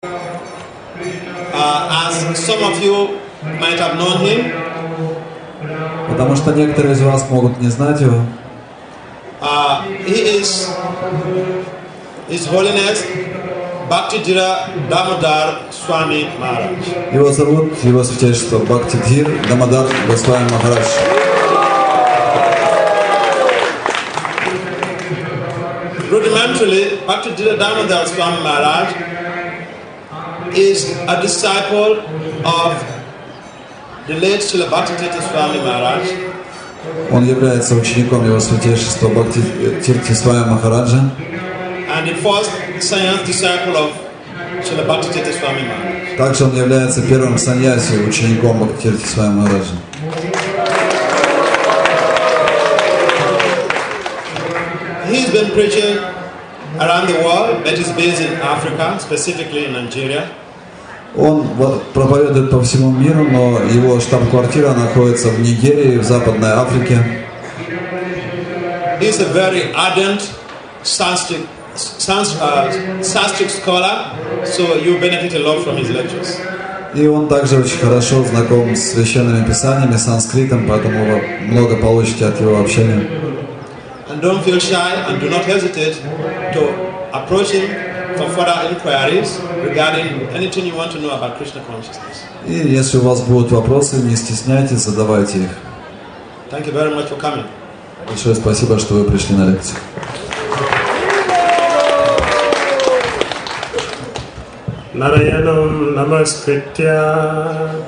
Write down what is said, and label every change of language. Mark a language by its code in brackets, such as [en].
[en] As some of you might have known him. [ru] Потому что некоторые из вас могут не знать его. [en] He is His Holiness Bhaktidhira Damodar Swami Maharaj. [ru] Его зовут Его Святейшество Бхактидхир Дамодар Госвами Махарадж. [en] Rudimentarily, Bhaktidhira Damodar Swami Maharaj is a disciple of the late Srila Bhaktivedanta Swami Maharaj. [ru] Он является учеником Его Святейшества Бхактивиданта Свами Махараджа. [en] And the first sannyasi disciple of Srila Bhaktivedanta Swami Maharaj. [ru] Также он является первым саньяси учеником Бхактивиданта Свами Махараджа. [en] He's been preaching around the world, but he's based in Africa, specifically in Nigeria. [ru] Он проповедует по всему миру, но его штаб-квартира находится в Нигерии, в Западной Африке. [en] He's a very ardent Sanskrit scholar, so you benefit a lot from his lectures. [ru] И он также очень хорошо знаком с священными писаниями, санскритом, поэтому вы много получите от его общения. [en] And don't feel shy and do not hesitate to approach him for further inquiries regarding anything you want to know about Krishna consciousness. [ru] И если у вас будут вопросы, не стесняйтесь, задавайте их. [en] Thank you very much for coming. [ru] Большое спасибо, что вы пришли на лекцию. [sa] Нараянам намаскритя.